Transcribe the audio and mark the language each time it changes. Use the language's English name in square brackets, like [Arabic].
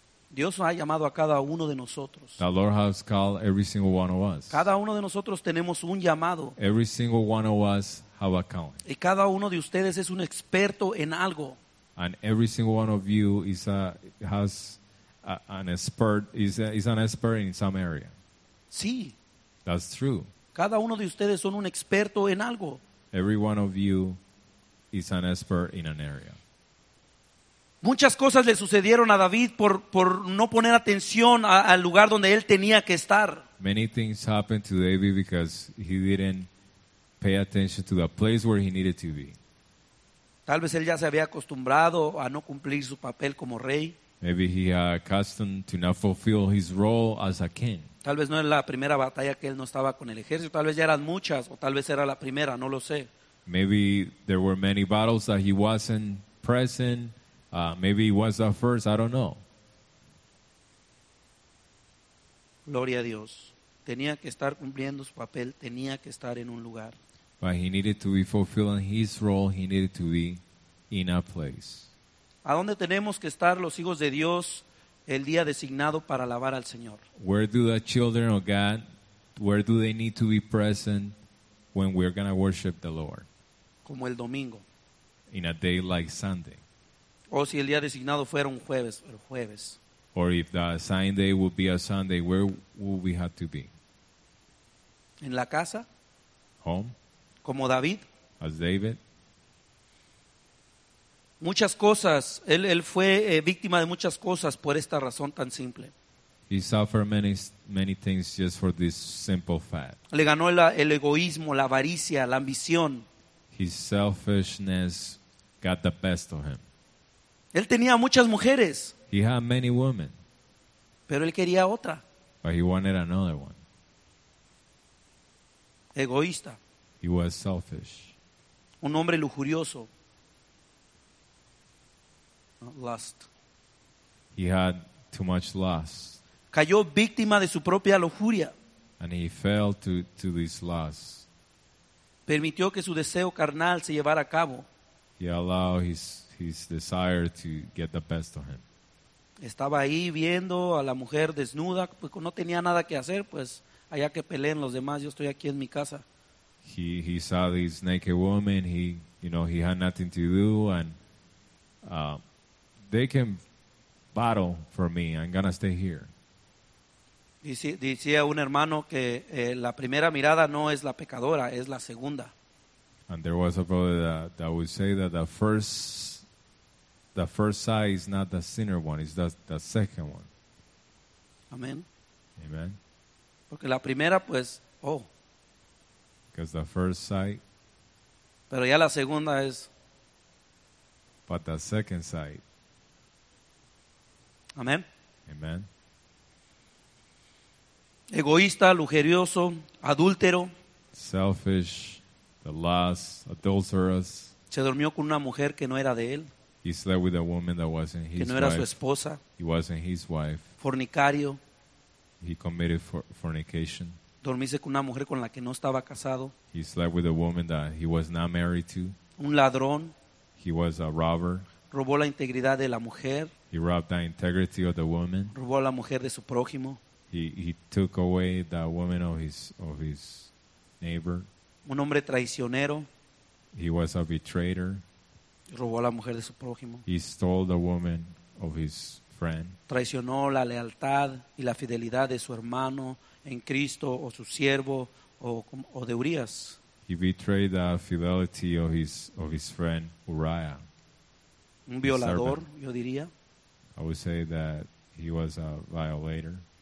[Spanish] Dios ha llamado a cada uno de nosotros. [English] The Lord has called every single one of us. [Spanish] Cada uno de nosotros tenemos un llamado. [English] Every single one of us have a calling. [Spanish] Y cada uno de ustedes es un experto en algo. [English] And every single one of you is an expert in some area. [Spanish] Sí. [English] That's true. [Spanish] Cada uno de ustedes son un experto en algo. [English] Every one of you is an expert in an area. [Spanish] Muchas cosas le sucedieron a David por no poner atención al lugar donde él tenía que estar. [English] Many things happened to David because he didn't pay attention to the place where he needed to be. [Spanish] Tal vez él ya se había acostumbrado a no cumplir su papel como rey. [English] Maybe he had accustomed to not fulfill his role as a king. [Spanish] Tal vez no era la primera batalla que él no estaba con el ejército. Tal vez ya eran muchas o tal vez era la primera, no lo sé. [English] Maybe there were many battles that he wasn't present. Maybe it was the first, I don't know. [Spanish] Gloria a Dios. Tenía que estar cumpliendo su papel, tenía que estar en un lugar. [English] But he needed to be fulfilling his role, he needed to be in a place. [Spanish] ¿A dónde tenemos que estar los hijos de Dios el día designado para alabar al Señor? [English] Where do the children of God, where do they need to be present when we're going to worship the Lord? [Spanish] Como el domingo. [English] In a day like Sunday. [Spanish] O si el día designado fuera un jueves, el jueves. [English] Or if the assigned day would be a Sunday, where would we have to be? [Spanish] En la casa. [English] Home. [Spanish] Como David. [English] As David. [Spanish] Muchas cosas. Él fue víctima de muchas cosas por esta razón tan simple. [English] He suffered many things just for this simple fact. [Spanish] Le ganó el egoísmo, la avaricia, la ambición. [English] His selfishness got the best of him. [Spanish] Él tenía muchas mujeres. [English] He had many women. [Spanish] Pero él quería otra. [English] But he wanted another one. [Spanish] Egoísta. [English] He was selfish. [Spanish] Un hombre lujurioso. [English] Lust. He had too much lust. [Spanish] Cayó víctima de su propia lujuria. [English] And he fell to this lust. [Spanish] Permitió que su deseo carnal se llevara a cabo. [English] He allowed his desire to get the best of him. [Spanish] Estaba ahí viendo a la mujer desnuda, pues no tenía nada que hacer, pues allá que peleen los demás, yo estoy aquí en mi casa. [English] He saw this naked woman. He had nothing to do, and they can battle for me. I'm gonna stay here. [Spanish] Decía un hermano que la primera mirada no es la pecadora, es la segunda. [English] And there was a brother that would say that the first sight is not the sinner one; it's the second one. [Spanish] Amen. [English] Amen. [Spanish] Porque la primera, pues, oh. [English] Because the first sight. [Spanish] Pero ya la segunda es. [English] But the second sight. [Spanish] Amen. [English] Amen. [Spanish] Egoísta, lujurioso, adúltero. [English] Selfish, the lust, adulterous. [Spanish] Se durmió con una mujer que no era de él. [English] He slept with a woman that wasn't his wife. [Spanish] no era su esposa. [English] He wasn't his wife. [Spanish] Fornicario. [English] He committed fornication. [Spanish] Dormiste con una mujer con la que no estaba casado. [English] He slept with a woman that he was not married to. [Spanish] Un ladrón. [English] He was a robber. [Spanish] Robó la integridad de la mujer. [English] He robbed the integrity of the woman. [Spanish] Robó a la mujer de su prójimo. [English] He took away the woman of his neighbor. [Spanish] Un hombre traicionero. [English] He was a betrayer. [Spanish] Robó a la mujer de su prójimo. [English] He stole the woman of his friend. [Spanish] Traicionó la lealtad y la fidelidad de su hermano en Cristo o su siervo o de Urias. [English] He betrayed the fidelity of his friend Uriah. [Spanish] Un violador, yo diría. [English] I would say that he was a violator.